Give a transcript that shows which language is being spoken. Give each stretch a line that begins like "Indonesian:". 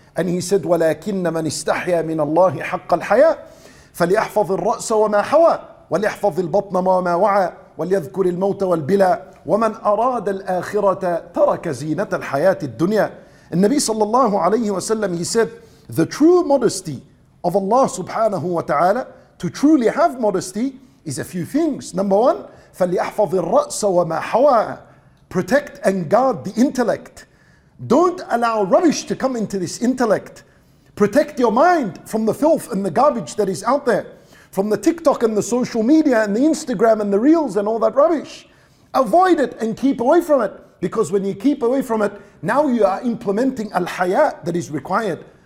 English: And he said,
Arabic: وَلَكِنَّ مَنْ إِسْتَحْيَى مِنَ اللَّهِ حَقَّ الْحَيَاءِ فَلِيَحْفَظِ الرَّأْسَ وَمَا حَوَى وَلِيَحْفَظِ الْبَطْنَ وَمَا وَعَى وَلِيَذْكُرِ الْمَوْتَ وَالْبِلَى وَمَنْ أَرَادَ الْآخِرَةَ تَرَكَ زِينَةَ الْحَيَاةِ الدُّنْيَا.
English: And Nabi sallallahu alayhi wa sallam, he said, the true modesty of Allah subhanahu wa ta'ala, to truly have modesty, is a few things. Number one,
Arabic: فَلِيَحْفَظِ الرَّأْسَ وَمَا حَوَى.
English: Protect and guard the intellect. Don't allow rubbish to come into this intellect. Protect your mind from the filth and the garbage that is out there, from the TikTok and the social media and the Instagram and the reels and all that rubbish. Avoid it and keep away from it, because when you keep away from it, now you are implementing al-haya that is required.